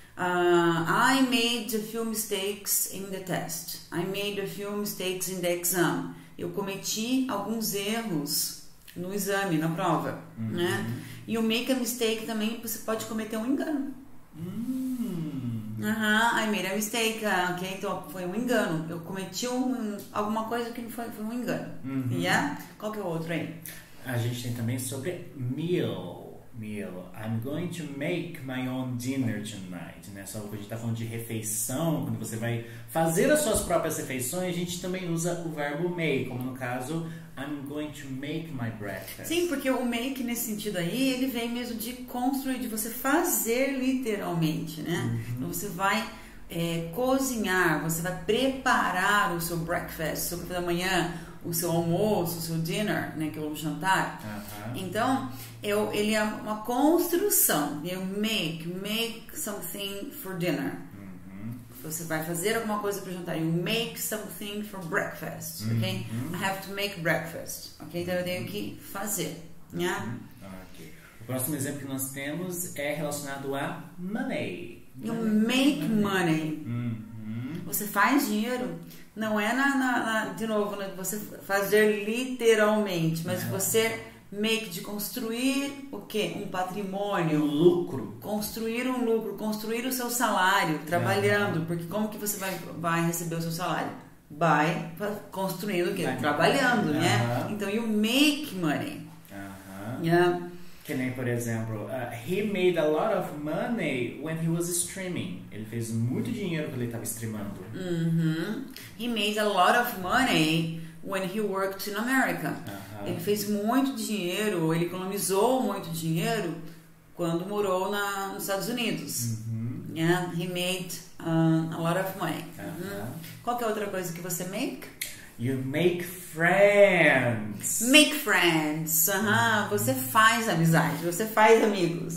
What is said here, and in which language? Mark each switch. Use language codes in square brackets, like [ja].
[en] I made a few mistakes in the test. I made a few mistakes in the exam. [pt] Eu cometi alguns erros no exame, na prova. Uhum. Né? E o [en] make a mistake [pt] também, você pode cometer um engano. Uhum, [en] I made a mistake, ok? [pt] Então, foi um engano. Eu cometi alguma coisa que não foi, foi um engano. Uhum. Yeah? Qual que é o outro aí? A gente tem também sobre meal. [en] Meal. I'm going to make my own dinner tonight. [pt] Né? Só que a gente tá falando de refeição. Quando você vai fazer as suas próprias refeições, a gente também usa o verbo make. Como no caso, [en] I'm going to make my breakfast. [pt] Sim, porque o make nesse sentido aí, ele vem mesmo de construir, de você fazer literalmente, né? Uhum. Então você vai cozinhar, você vai preparar o seu breakfast, o seu café da manhã, o seu almoço, o seu dinner, né? Que é o jantar. Uhum. Então, ele é uma construção. Eu [en] make something for dinner. [pt] Você vai fazer alguma coisa para jantar. [en] You make something for breakfast, ok? Uh-huh. I have to make breakfast, ok? [pt] Então, eu tenho que fazer, né? [en] Yeah? [pt] Okay. O próximo exemplo que nós temos é relacionado a money. [en] You make money. Uh-huh. [pt] Você faz dinheiro. Não é, de novo, né? Você fazer literalmente, mas você make de construir o quê? Um patrimônio. Um lucro. Construir um lucro, construir o seu salário, trabalhando. Uhum. Porque como que você vai receber o seu salário? By construindo o quê? Vai trabalhando, né? Uhum. [en] Então, you make money. Uhum. Yeah. [pt] Que nem, por exemplo, [en] he made a lot of money when he was streaming. [pt] Ele fez muito dinheiro quando ele estava streamando. Uhum. [en] He made a lot of money when he worked in America. Uhum. [pt] Ele fez muito dinheiro, ele economizou muito dinheiro quando morou nos Estados Unidos. Uhum. [en] Yeah, he made a lot of money. Uhum. Uhum. [pt] Qual que é outra coisa que você make? [en] You make friends. Make friends. Uhum. Uhum. [pt] Você faz amizade, você faz amigos.